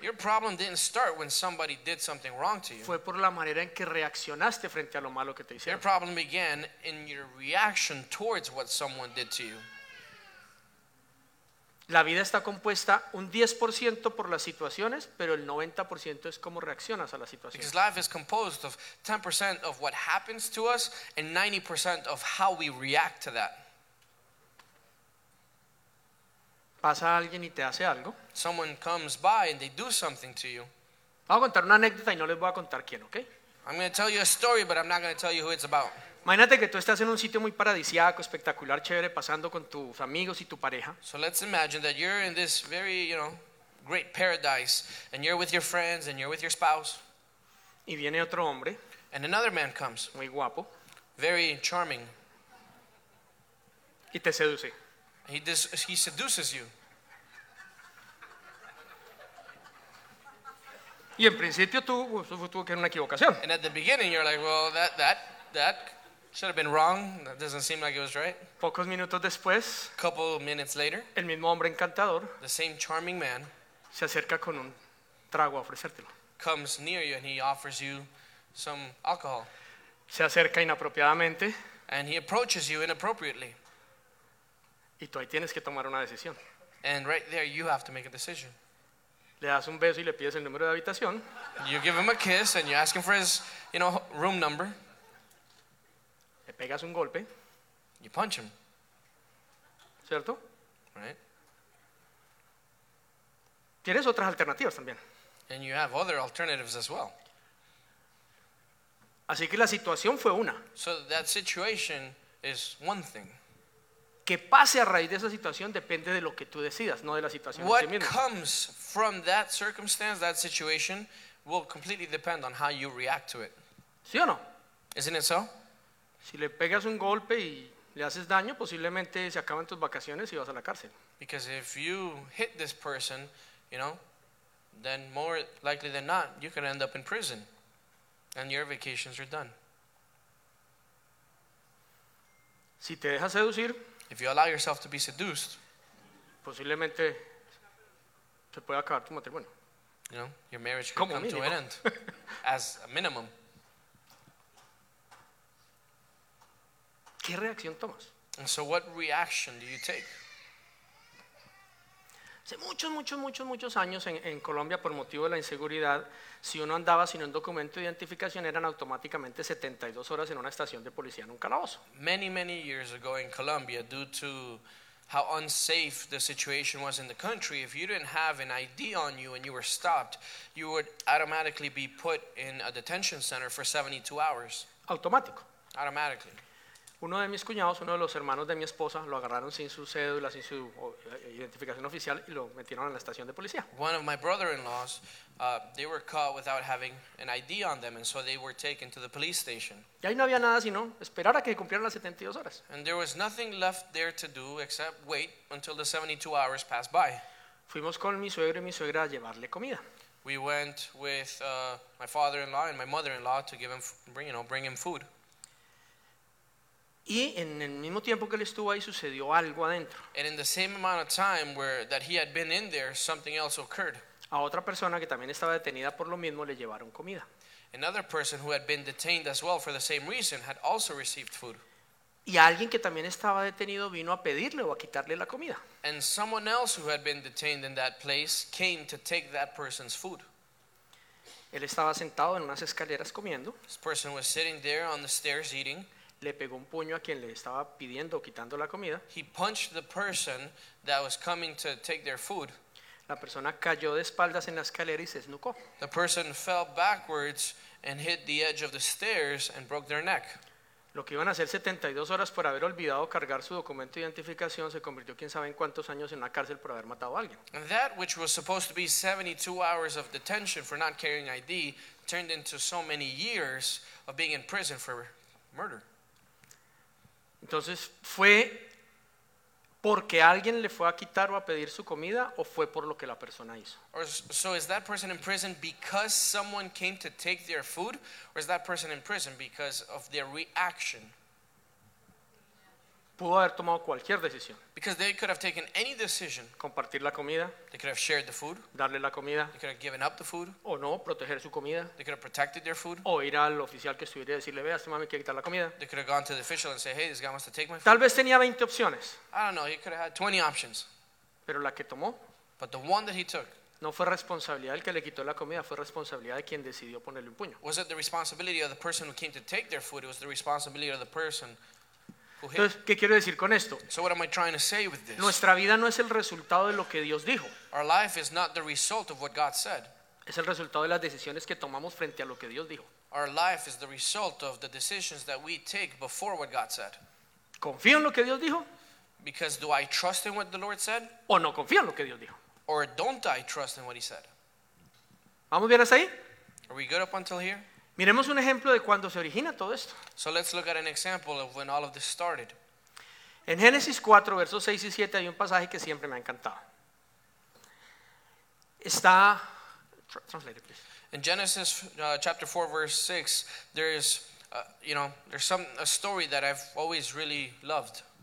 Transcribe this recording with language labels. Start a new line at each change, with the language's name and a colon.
English: Your problem didn't start when somebody did something wrong to you.
Spanish: Fue por la manera en que reaccionaste frente a lo malo que te hicieron.
English: Your problem began in your reaction towards what someone did to you.
Spanish: La vida está compuesta un 10% por las situaciones, pero el 90% es cómo reaccionas a las situaciones.
English: Because life is composed of 10% of what happens to us and 90% of how we react to that.
Spanish: Pasa alguien y te hace algo.
English: Someone comes by and they do something to you.
Spanish: Voy a contar una anécdota y no les voy a contar quién, ¿ok?
English: I'm going to tell you a story, but I'm not going to tell you who it's about.
Spanish: Imagínate que tú estás en un sitio muy paradisíaco, espectacular, chévere, pasando con tus amigos y tu pareja.
English: So let's imagine that you're in this very, you know, great paradise, and you're with your friends, and you're with your spouse.
Spanish: Y viene otro hombre.
English: And another man comes.
Spanish: Muy guapo.
English: Very charming.
Spanish: Y te seduce.
English: He seduces you.
Spanish: Y en principio tú, tuvo que era una equivocación.
English: And at the beginning you're like, well, that should have been wrong. That doesn't seem like it was right.
Spanish: Pocos minutos después,
English: couple minutes later,
Spanish: el mismo hombre encantador,
English: the same charming man,
Spanish: se acerca con un trago a ofrecértelo.
English: Comes near you and he offers you some alcohol.
Spanish: Se acerca inapropiadamente.
English: And he approaches you inappropriately.
Spanish: Y tú ahí tienes que tomar una decisión.
English: And right there you have to make a decision.
Spanish: Le das un beso y le pides el número de habitación.
English: You give him a kiss and you ask him for his, you know, room number.
Spanish: Le pegas un golpe.
English: You punch him.
Spanish: ¿Cierto?
English: Right.
Spanish: Tienes otras alternativas también.
English: And you have other alternatives as well.
Spanish: Así que la situación fue una.
English: So that situation is one thing.
Spanish: Que pase a raíz de esa situación depende de lo que tú decidas, no de la situación en sí misma.
English: What comes from that circumstance, that situation, will completely depend on how you react to it.
Spanish: ¿Sí o no?
English: Isn't it so?
Spanish: Si le pegas un golpe y le haces daño, posiblemente se acaban tus vacaciones y vas a la cárcel.
English: Because if you hit this person, you know, then more likely than not, you can end up in prison and your vacations are done.
Spanish: Si te dejas seducir,
English: if you allow yourself to be seduced,
Spanish: posiblemente se puede acabar tu matrimonio.
English: You know, your marriage could come to an end as a minimum.
Spanish: ¿Qué reacción tomas?
English: And so what reaction do you take?
Spanish: Hace muchos años en Colombia, por motivo de la inseguridad, si uno andaba sin un documento de identificación, eran automáticamente 72 horas en una estación de policía en un calabozo.
English: Many years ago in Colombia, due to how unsafe the situation was in the country, if you didn't have an ID on you and you were stopped, you would automatically be put in a detention center for 72 hours.
Spanish: Automático.
English: Automatically.
Spanish: Uno de mis cuñados, uno de los hermanos de mi esposa, lo agarraron sin su cédula, sin su identificación oficial y lo metieron en la estación de policía.
English: One of my brother-in-laws, they were caught without having an ID on them and so they were taken to the police station.
Spanish: Y ahí no había nada sino esperar a que cumplieran las 72 horas.
English: And there was nothing left there to do except wait until the 72 hours passed by.
Spanish: Fuimos con mi suegro y mi suegra a llevarle comida.
English: We went with my father-in-law and my mother-in-law to give him, bring him food.
Spanish: Y en el mismo tiempo que él estuvo ahí sucedió algo adentro.
English: And in the same amount of time where that he had been in there, something else occurred.
Spanish: A otra persona que también estaba detenida por lo mismo le llevaron comida.
English: Another person who had been detained as well for the same reason had also received food.
Spanish: Y alguien que también estaba detenido vino a pedirle o a quitarle la comida.
English: And someone else who had been detained in that place came to take that person's food.
Spanish: Él estaba sentado en unas escaleras comiendo.
English: This person was sitting there on the stairs eating.
Spanish: Le pegó un puño a quien le estaba pidiendo o quitando la comida.
English: He punched the person that was coming to take their food.
Spanish: La persona cayó de espaldas en la escalera y se esnucó.
English: The person fell backwards and hit the edge of the stairs and broke their neck.
Spanish: Lo que iban a hacer 72 horas por haber olvidado cargar su documento de identificación se convirtió quién sabe en cuántos años en una cárcel por haber matado a alguien.
English: And that which was supposed to be 72 hours of detention for not carrying ID turned into so many years of being in prison for murder.
Spanish: Entonces, ¿fue porque alguien le fue a quitar o a pedir su comida o fue por lo que la persona hizo?
English: Or so is that person in prison because someone came to take their food, or is that person in prison because of their reaction?
Spanish: Pudo haber tomado cualquier decisión.
English: Because they could have taken any decision.
Spanish: Compartir la comida.
English: They could have shared the food.
Spanish: Darle la comida.
English: They could have given up the food.
Spanish: O no, proteger su comida.
English: They could have protected their food.
Spanish: O ir al oficial que estuviera y decirle, vea, este mami quiere quitar la comida.
English: They could have gone to the official and said, hey, this guy wants to take my food.
Spanish: Tal vez tenía 20 opciones.
English: I don't know, he could have had 20 options.
Spanish: Pero la que tomó.
English: But the one that he took.
Spanish: No fue responsabilidad del que le quitó la comida, fue responsabilidad de quien decidió ponerle un puño.
English: Was it the responsibility of the person who came to take their food? It was the responsibility of the person.
Spanish: Entonces, ¿qué quiero decir con esto?
English: So what am I trying to say with this?
Spanish: Nuestra vida no es el resultado de lo que Dios dijo.
English: Our life is not the result of what God said.
Spanish: Es el resultado de las decisiones que tomamos frente a lo que Dios dijo.
English: Our life is the result of the decisions that we take before what God said.
Spanish: ¿Confío en lo que Dios dijo?
English: Because do I trust in what the Lord said?
Spanish: ¿O no confío en lo que Dios dijo?
English: Or don't I trust in what he said?
Spanish: ¿Vamos bien hasta ahí?
English: Are we good up until here?
Spanish: Miremos un ejemplo de cuando se origina todo esto.
English: So let's look at an example of when all of this started.
Spanish: En Génesis 4, versos 6 y 7 hay un pasaje que siempre me ha encantado. Está
English: translate it, please. In Genesis chapter 4 verse 6 there is a story that I've always really loved.